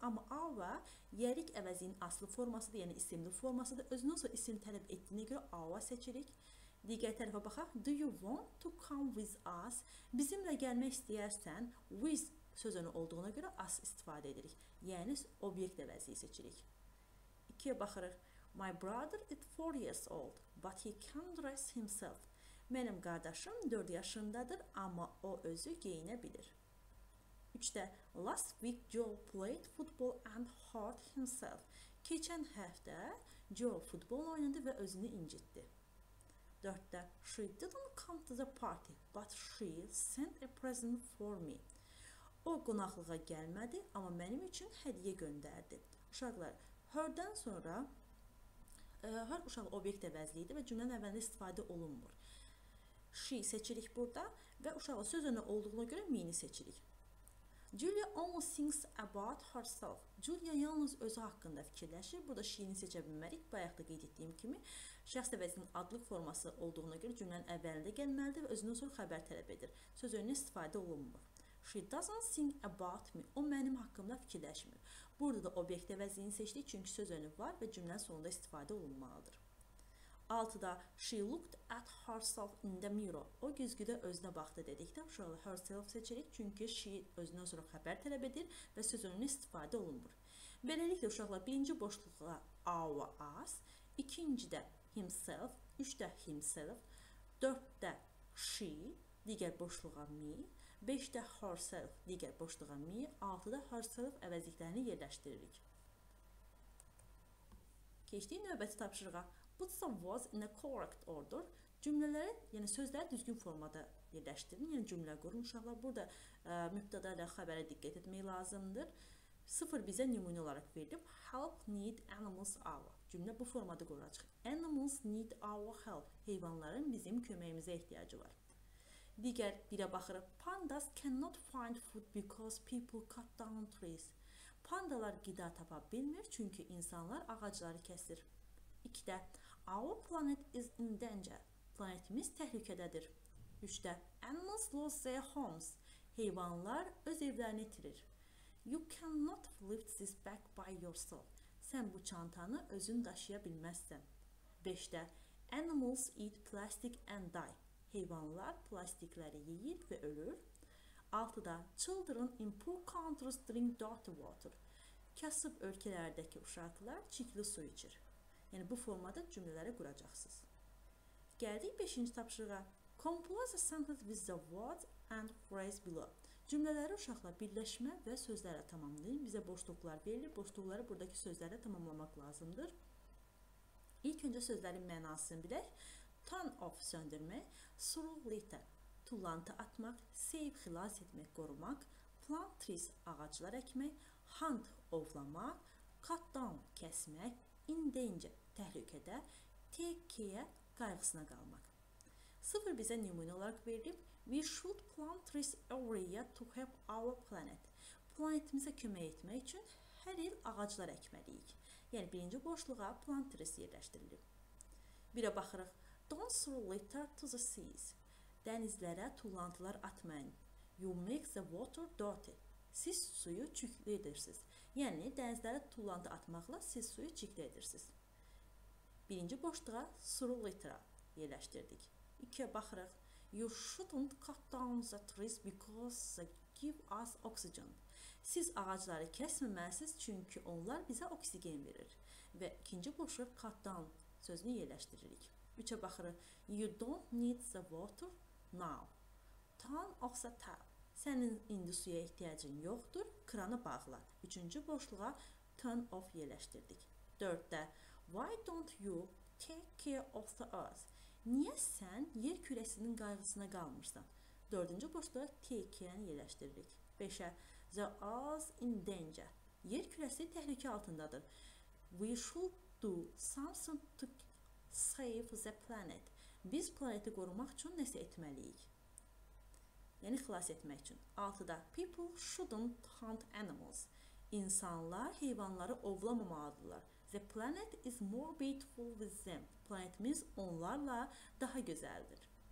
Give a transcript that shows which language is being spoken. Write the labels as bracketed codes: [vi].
[az] Amma our yerik əvəzinin aslı formasıdır, yəni isimli formasıdır. Özündən sonra isim tələb etdiyinə görə our seçirik. digər tərəfə baxaq. [en] Do you want to come with us? [az] Bizimlə gəlmək istəyərsən, with sözünün olduğuna görə us istifadə edirik. Yəni, obyekt əvəzliyi seçirik. İkiyə baxırıq. [en] My brother is 4 years old, but he can dress himself. [az] Mənim qardaşım 4 yaşındadır, amma o özü geyinə bilir. [en] Üçdə, last week Joe played football and hurt himself. [az] Keçən həftə Joe futbol oynadı və özünü incitdi. [en] Dörddə, she didn't come to the party, but she sent a present for me. [az] O qonaqlığa gəlmədi, amma mənim üçün hədiyə göndərdi. Uşaqlar, her-dən sonra her uşaq obyekt əvəzliyidir və cümlənin əvvəlində istifadə olunmur. She seçirik burada və uşağın söz önü olduğuna görə me-ni seçirik. [en] Julia only thinks about herself. [az] Julia yalnız özü haqqında fikirləşir. Burada she-ni seçə bilmərik. Bayaq da qeyd etdiyim kimi, şəxs əvəzinin adlıq forması olduğuna görə cümlənin əvvəlində gəlməlidir və özündən sonra xəbər tələb edir. Söz önünə istifadə olunmur. [en] She doesn't think about me. [az] O mənim haqqımda fikirləşmir. Burada da obyekt əvəzliyini seçdik, çünki söz önü var və cümlənin sonunda istifadə olunmalıdır. [en] 6-da she looked at herself in the mirror. [az] O güzgüdə özünə baxdı dedikdə uşaqlar herself seçirik, çünki she özünə sonra xəbər tələb edir və söz önünə istifadə olunmur. Beləliklə uşaqlar birinci boşluğa our us, ikincidə himself, üçdə himself, dörddə she, digər boşluğa me, beşdə herself, digər boşluğa me, altıda herself əvəzliklərini yerləşdiririk. Keçdiyi növbəti tapşırığa. [en] Put the words in a correct order. [az] Cümlələri, yəni sözləri düzgün formada yerləşdirin, yəni cümlə qurun uşaqlar. Burada mübtəda ilə xəbərə diqqət etmək lazımdır. Sıfır bizə nümunə olaraq verdim. [en] Help need animals our. [az] Cümlə bu formada quracaq. [en] Animals need our help. [az] Heyvanların bizim köməyimizə ehtiyacı var. Digər birə baxırıq. [en] Pandas cannot find food because people cut down trees. [az] Pandalar qida tapa bilmir, çünki insanlar ağacları kəsir. [en] 2-də Our planet is in danger. [az] Planetimiz təhlükədədir. [en] 3-də Animals lose their homes. [az] Heyvanlar öz evlərini itirir. [en] You cannot lift this bag by yourself. [az] Sən bu çantanı özün daşıya bilməzsən. 5-də [en] Animals eat plastic and die. [az] Heyvanlar plastikləri yeyir və ölür. [en] 6-da Children in poor countries drink dirty water. [az] Kasıb ölkələrdəki uşaqlar çirkli su içir. Yəni, bu formada cümlələri quracaqsınız. Gəldik 5-ci tapşırığa. [en] Compose a sentence with the words and phrase below. [az] Cümlələri uşaqla birləşmə və sözlərə tamamlayın. Bizə boşluqlar verilir. Boşluqları buradakı sözlərə tamamlamaq lazımdır. İlk öncə sözlərin mənasını bilək. Turn off söndürmək. Through litter. Tullantı atmaq. Save xilas etmək, qorumaq. Plant trees ağaclar əkmək. Hunt ovlamaq. Cut down kəsmək. In danger, təhlükədə, take care, qayğısına qalmaq. Sıfır bizə nümunə olaraq verilib. [en] We should plant trees every year to help our planet. [az] Planetimizə kömək etmək üçün hər il ağaclar əkməliyik. Yəni, birinci boşluğa plant trees yerləşdirilib. Birə baxırıq. [en] Don't throw litter to the seas. [az] Dənizlərə tullantılar atmayın. [en] You make the water dirty. [az] Siz suyu çirkli edirsiniz. Yəni, dənizlərə tullantı atmaqla siz suyu çirkli edirsiniz. Birinci boşluğa through litter yerləşdirdik. İkiyə baxırıq. [en] You shouldn't cut down the trees because they give us oxygen. [az] Siz ağacları kəsməməlisiniz, çünki onlar bizə oksigen verir. Və ikinci boşluğa cut down sözünü yerləşdiririk. Üçə baxırıq. [en] You don't need the water now. Turn off the tap. [az] Sənin indi suya ehtiyacın yoxdur, kranı bağla. Üçüncü boşluğa turn off yerləşdirdik. [en] Dörddə, why don't you take care of the earth? [az] Niyə sən yer kürəsinin qayğısına qalmırsan? Dördüncü boşluğa take care-ni yerləşdiririk. Beşə, [en] the earth in danger. [az] Yer kürəsi təhlükə altındadır. [en] We should do something to save the planet. [az] Biz planeti qorumaq üçün nəsə etməliyik. Yəni, xilas etmək üçün. 6-da, [en] people shouldn't hunt animals. [az] İnsanlar heyvanları ovlamamalıdırlar. [en] The planet is more beautiful with them. [az] Planetimiz onlarla daha gözəldir.